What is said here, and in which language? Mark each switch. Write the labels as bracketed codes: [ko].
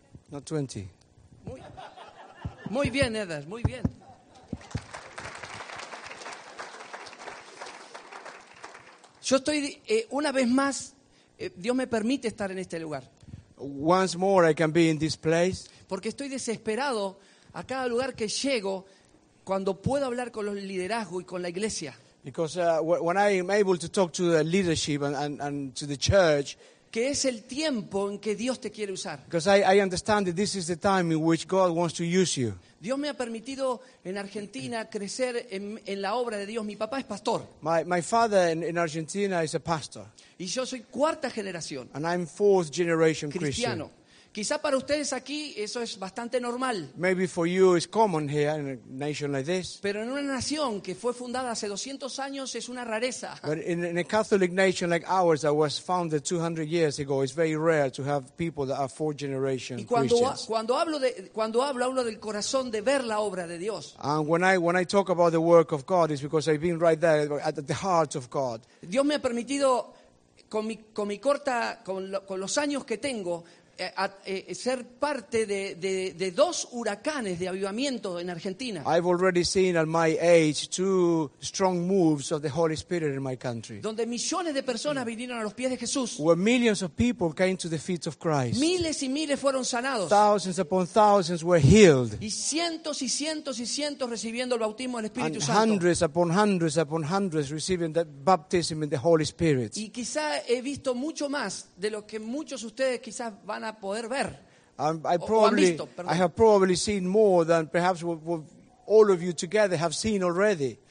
[en] Not 20. [es] Muy bien, Edas, muy bien. Yo estoy una vez más. Dios me permite estar en este lugar. [en] Once more, I can be in this place. [es] Porque estoy desesperado a cada lugar que llego cuando puedo hablar con los liderazgos y con la iglesia. [en] Because when I am able to talk to the leadership and to the church. [es] Que es el tiempo en que Dios te quiere usar. [en] Because I understand that this is the time in which God wants to use you. [es] Dios me ha permitido en Argentina crecer en la obra de Dios. Mi papá es pastor. [en] My father in Argentina is a pastor. [es] Y yo soy cuarta generación. [en] And I'm fourth generation [es] cristiano. [en] Christian. [es] Quizá para ustedes aquí eso es bastante normal. [en] Maybe for you it's common here in a nation like this. [es] Pero en una nación que fue fundada hace 200 años es una rareza. [en] But in a Catholic nation like ours that was founded 200 years ago, it's very rare to have people that are four generation Christians. [es] Y cuando hablo del corazón de ver la obra de Dios. [en] And when I talk about the work of God, it's because I've been right there at the heart of God. [es] Dios me ha permitido con los años que tengo ser parte de dos huracanes de avivamiento en Argentina. [en] I've already seen at my age two strong moves of the Holy Spirit in my country. [es] Donde millones de personas vinieron a los pies de Jesús. [en] Where millions of people came to the feet of Christ. [es] Miles y miles fueron sanados. [en] Thousands upon thousands were healed. [es] Y cientos y cientos y cientos recibiendo el bautismo del Espíritu Santo. [en] And hundreds upon hundreds upon hundreds receiving that baptism in the Holy Spirit. [es] Y quizá he visto mucho más de lo que muchos ustedes quizás van a poder ver. [en] I have probably seen more than perhaps what all of you together have seen already.